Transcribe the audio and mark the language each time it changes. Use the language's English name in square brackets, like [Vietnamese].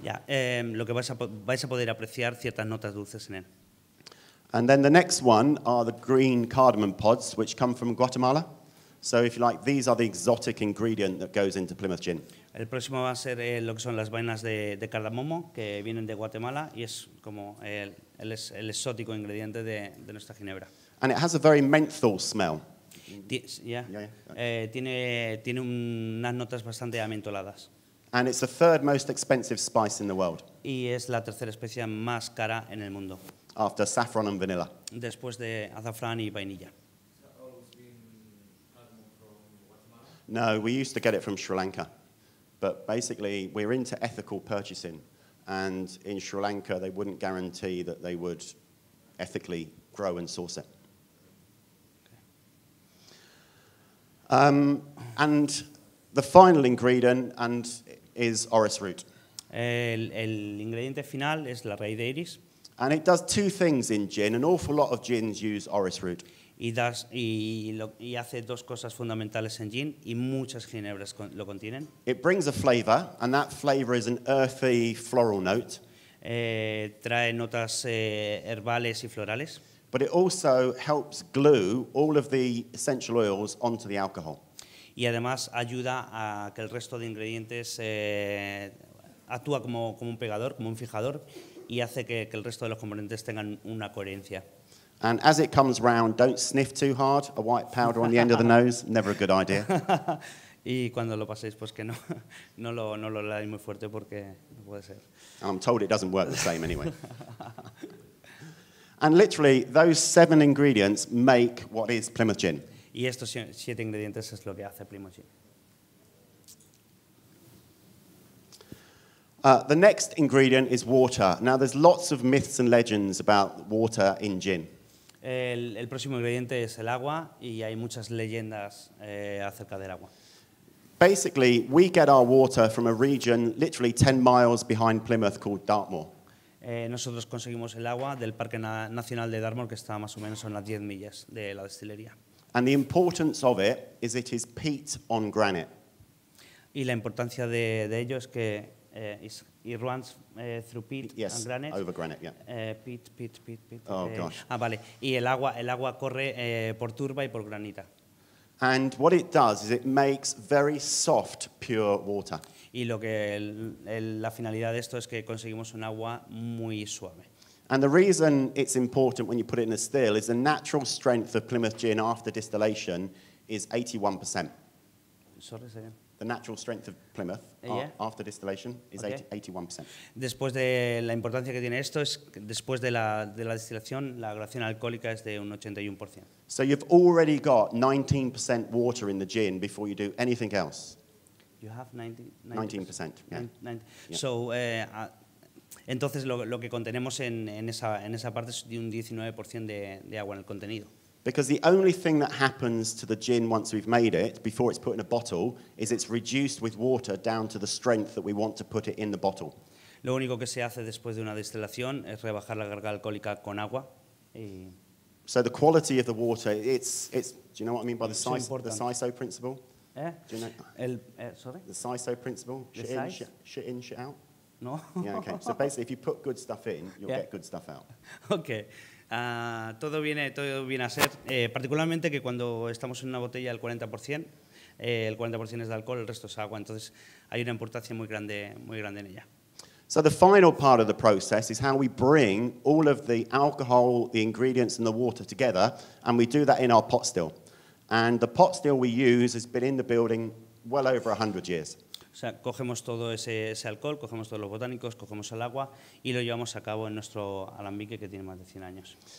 [Spanish] Yeah, lo que vais a poder apreciar ciertas notas dulces en él. [English] And then the next one are the green cardamom pods, which come from Guatemala. So if you like, these are the exotic ingredient that goes into Plymouth gin. [Spanish] El próximo va a ser lo que son las vainas de cardamomo, que vienen de Guatemala, y es como el exótico ingrediente de nuestra ginebra. [English] And it has a very menthol smell. [Spanish] Tiene unas notas bastante amentoladas. [English] And it's the third most expensive spice in the world. [Spanish] Y es la tercera especia más cara en el mundo. [English] After saffron and vanilla. [Spanish] Después de azafrán y vainilla. [English] No, we used to get it from Sri Lanka. But basically, we're into ethical purchasing. And in Sri Lanka, they wouldn't guarantee that they would ethically grow and source it. And the final ingredient and is orris root. [Spanish] El ingrediente final es la raíz de iris. [English] And it does two things in gin. An awful lot of gins use orris root. [Spanish] Y hace dos cosas fundamentales en gin, y muchas ginebras lo contienen. [English] It brings a flavor, and that flavor is an earthy floral note. [Spanish] Trae notas herbales y florales. [English] But it also helps glue all of the essential oils onto the alcohol. [Spanish] Y además ayuda a que el resto de ingredientes actúa como un pegador, como un fijador, y hace que el resto de los componentes tengan una coherencia. [English] And as it comes round, don't sniff too hard. A white powder on the end of the nose, never a good idea. [Spanish] Y cuando lo paséis, pues que no lo leáis muy fuerte porque no puede ser. [English] I'm told it doesn't work the same anyway. And literally, those seven ingredients make what is Plymouth gin. [Spanish] Y estos siete ingredientes es lo que hace Plymouth gin. [English] The next ingredient is water. Now, there's lots of myths and legends about water in gin. [Spanish] El próximo ingrediente es el agua, y hay muchas leyendas acerca del agua. [English] Basically, we get our water from a region literally 10 miles behind Plymouth called Dartmoor. [Spanish] Nosotros conseguimos el agua del Parque Nacional de Dartmoor, que está más o menos a unas 10 millas de la destilería. [English] And the importance of it is it is peat on granite. [Spanish] Y la importancia de ello es que [English] it runs through peat, yes, and granite. Over granite, yeah. Peat. Oh, gosh. [Spanish] Vale. Y el agua corre por turba y por granita. [English] And what it does is it makes very soft, pure water. [Spanish] Y lo que la finalidad de esto es que conseguimos un agua muy suave. [English] And the reason it's important when you put it in a still is the natural strength of Plymouth gin after distillation is 81%. Sorry, say again. The natural strength of Plymouth after distillation is okay. 81%. [Spanish] Después de la importancia que tiene esto es después de la destilación, la graduación alcohólica es de un 81%. [English] So you've already got 19% water in the gin before you do anything else. You have 19%. [Spanish] So, entonces lo que contenemos en esa parte es de un 19% de agua en el contenido. [English] Because the only thing that happens to the gin once we've made it, before it's put in a bottle, is it's reduced with water down to the strength that we want to put it in the bottle. [Spanish] Lo único que se hace después de una destilación es rebajar la carga alcohólica con agua. [English] So the quality of the water, it's. Do you know what I mean by the SISO principle? Do you know? The SISO principle? Shit in, shit out? No. Yeah, okay. So basically, if you put good stuff in, you'll get good stuff out. Okay. [Spanish] Todo viene a ser, particularmente que cuando estamos en una botella al 40%, el 40% es de alcohol, el resto es agua. Entonces, hay una importancia muy grande en ella. [English] So the final part of the process is how we bring all of the alcohol, the ingredients, and the water together, and we do that in our pot still. And the pot still we use has been in the building well over 100 years. [Spanish] O sea, cogemos todo ese alcohol, cogemos todos los botánicos, cogemos el agua y lo llevamos a cabo en nuestro alambique que tiene más de 100 años.